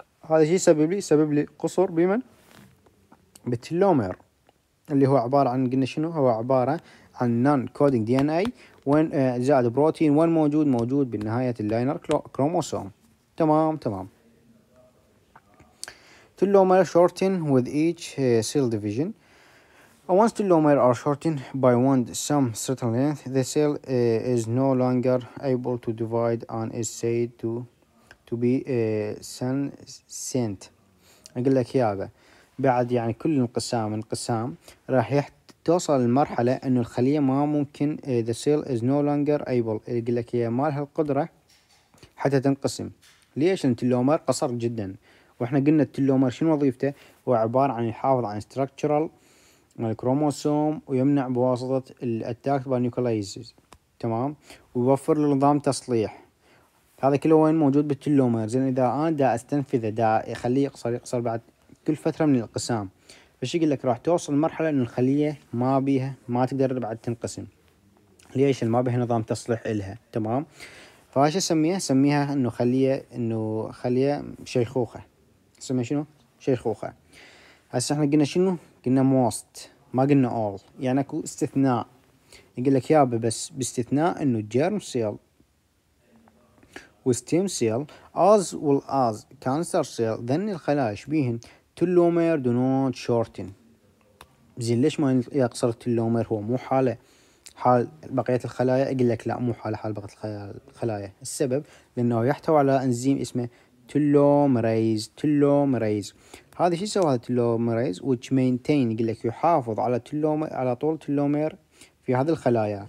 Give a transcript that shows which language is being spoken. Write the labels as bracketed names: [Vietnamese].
[Arabic] هذا شيء سبب لي، سبب لي قصر بمن؟ بالتلومير اللي هو عباره عن، قلنا شنو هو؟ عباره عن نون كودينج دي ان اي، وين زائد بروتين، وين موجود؟ موجود بالنهايه اللاينر كروموسوم. تمام تمام. [English] Telomere shorten with each cell division. Once telomeres are shortened by one some certain length, the cell is no longer able to divide and is said to be senescent. [Arabic] أقول لك يا أبا، بعد يعني كل انقسام انقسام راح توصل المرحلة إنه الخلية ما ممكن [English] the cell is no longer able. [Arabic] أقول لك هي ما لها القدرة حتى تنقسم. ليش؟ لأن التلومير قصر جدا. وإحنا قلنا التلومير شنو وظيفته؟ هو عبارة عن يحافظ عن structural الكروموسوم، ويمنع بواسطة الاتاك بالنيوكليزز. تمام، ويوفر للنظام تصليح. هذا كله وين؟ موجود بالتلومير. زين اذا انا دا استنفذه دا اخليه يقصر، يقصر بعد كل فترة من الانقسام، فش يقول لك؟ راح توصل مرحلة ان الخلية ما بيها، ما تقدر بعد تنقسم. ليش؟ ما بيها نظام تصليح الها. تمام، فايش اسميها؟ سميها انه خلية، انه خلية شيخوخة. سميها شنو؟ شيخوخة. هسه احنا قلنا شنو؟ قلنا most، ما قلنا all، يعني اكو استثناء. يقول لك يابا بس باستثناء انه [English] germ cell [Arabic] و [English] stem cell as well as cancer cell، [Arabic] ذن الخلايا شبيهن تلومير [English] do not shorten. [Arabic] زين ليش ما يقصر التلومير؟ هو مو حالة حال بقية الخلايا؟ يقول لك لا، مو حالة حال بقية الخلايا. السبب لانه يحتوي على انزيم اسمه تلومريز. تلومريز هذا شو يسوي؟ هذا تلوميريز [English] which maintain، [Arabic] يقول لك يحافظ على تلومير، على طول تلومير في هذه الخلايا.